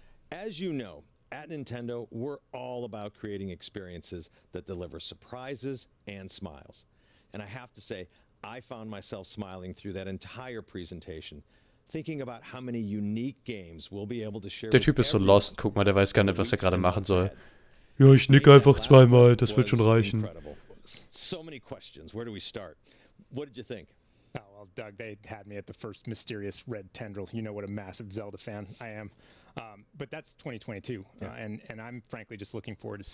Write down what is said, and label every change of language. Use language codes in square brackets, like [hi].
[en] As you know, at Nintendo, we're all about creating experiences that deliver surprises and smiles. And I have to say, I found myself smiling through that entire presentation, thinking about how many unique games we'll be able to share. [de] Der Typ ist so lost, guck mal, der weiß gar nicht, was er gerade machen soll. Ja, ich nicke einfach zweimal, das wird schon reichen. [en] So many questions, where do we start? What did you think? Oh, well, Doug, they had me at the first mysterious red tendril. You know what a massive Zelda fan I am. But that's 2022, yeah. And I'm frankly just looking forward to seeing.